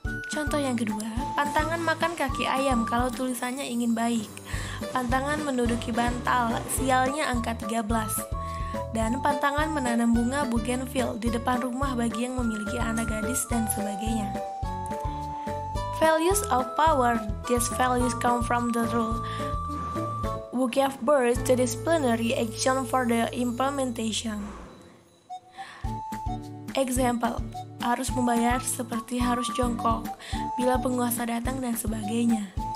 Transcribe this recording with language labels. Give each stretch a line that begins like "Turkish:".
Indonesian: Contoh yang kedua, pantangan makan kaki ayam kalau tulisannya ingin baik, pantangan menduduki bantal, sialnya angka 13, dan pantangan menanam bunga bougainville di depan rumah bagi yang memiliki anak gadis dan sebagainya.
English: Values of power. These values come from the rule who gave birth to disciplinary action for the implementation.
Indonesian: Example, harus membayar seperti harus jongkok bila penguasa datang dan sebagainya.